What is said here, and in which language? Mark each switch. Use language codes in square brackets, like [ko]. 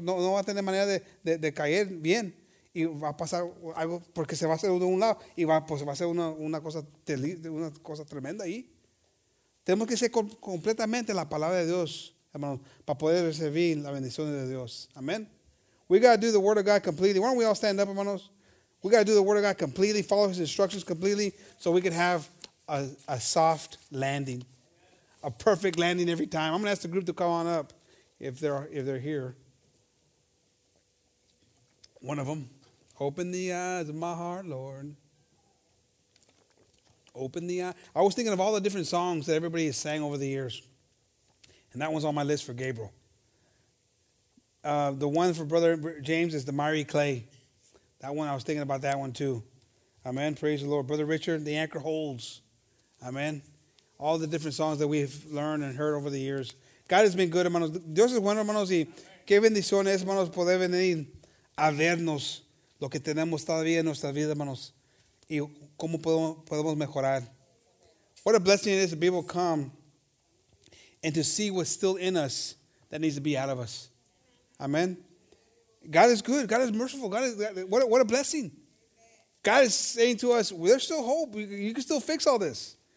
[es] No va a tener manera de caer bien. Y va a pasar algo porque se va a hacer uno de un lado. Y va a ser una cosa tremenda ahí. Tenemos que ser completamente la palabra de Dios, hermanos, para poder recibir la bendición de Dios. Amén. [en] We got to do the word of God completely. Why don't we all stand up, hermanos? We got to do the word of God completely, follow his instructions completely, so we can have a soft landing, a perfect landing every time. I'm going to ask the group to come on up if they're here. One of them. Open the eyes of my heart, Lord. Open the eyes. I was thinking of all the different songs that everybody has sang over the years. And that one's on my list for Gabriel. The one for Brother James is the Myrie Clay. That one, I was thinking about that one too. Amen. Praise the Lord. Brother Richard, the anchor holds. Amen. All the different songs that we've learned and heard over the years. God has been good, hermanos. [es] Dios es bueno, hermanos. Y qué bendición es, hermanos, poder venir a vernos lo que tenemos todavía en nuestra vida, hermanos. Y cómo podemos mejorar. [en] What a blessing it is to be able to come and to see what's still in us that needs to be out of us. Amen. God is good. God is merciful. God is what a blessing. God is saying to us, well, there's still hope. You can still fix all this.